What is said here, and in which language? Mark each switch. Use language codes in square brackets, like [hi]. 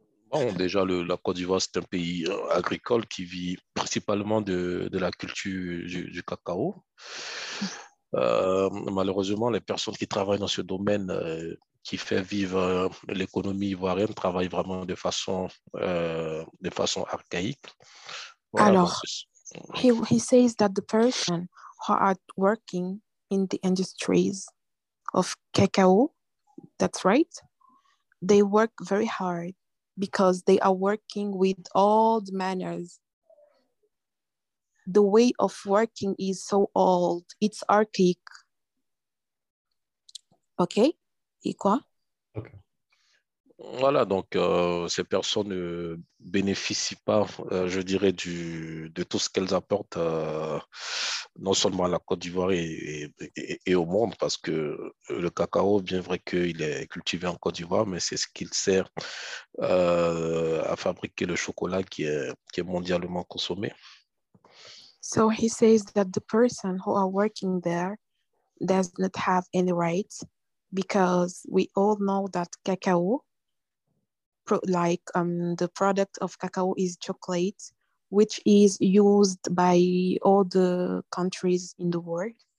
[fr] Bon, déjà, la Côte d'Ivoire, c'est un pays agricole qui vit principalement de la culture du cacao. Malheureusement, les personnes qui travaillent dans ce domaine, qui fait vivre l'économie ivoirienne, travaillent vraiment de façon archaïque. Voilà. [en] Alors, he says that the person who are working in the industries of cacao, that's right, they work very hard. Because they are working with old manners. The way of working is so old. It's archaic. [fr] OK? Et quoi? OK. Voilà, donc ces personnes ne bénéficient pas, je dirais, de tout ce qu'elles apportent, non seulement à la Côte d'Ivoire et au monde, parce que le cacao, bien vrai qu'il est cultivé en Côte d'Ivoire, mais c'est ce qu'il sert à fabriquer le chocolat qui est mondialement consommé. [en] So he says that the person who are working there does not have any rights, because we all know that cacao, the product of cacao is chocolate, which is used by all the countries in the world.